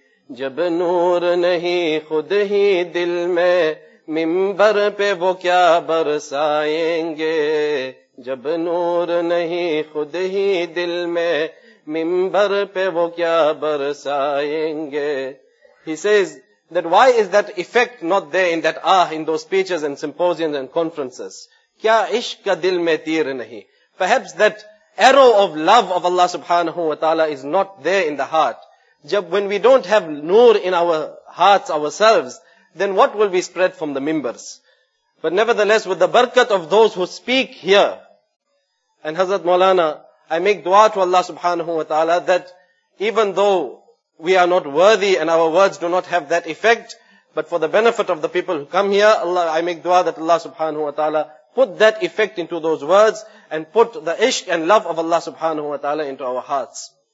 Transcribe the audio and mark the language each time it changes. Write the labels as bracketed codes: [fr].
[ur] جب نور نہیں خود ہی دل میں منبر پہ وہ کیا برسائیں گے. جب نور نہیں خود ہی دل میں منبر پہ وہ کیا برسائیں گے. [en] He says that why is that effect not there in that in those speeches and symposiums and conferences. [ur] کیا عشق کا دل میں تیر نہیں. [en] Perhaps that arrow of love of Allah subhanahu wa ta'ala is not there in the heart. When we don't have noor in our hearts ourselves, then what will we spread from the members? But nevertheless, with the barakat of those who speak here, and Hazrat Maulana, I make dua to Allah subhanahu wa ta'ala that even though we are not worthy and our words do not have that effect, but for the benefit of the people who come here, Allah, I make dua that Allah subhanahu wa ta'ala put that effect into those words and put the ishq and love of Allah subhanahu wa ta'ala into our hearts.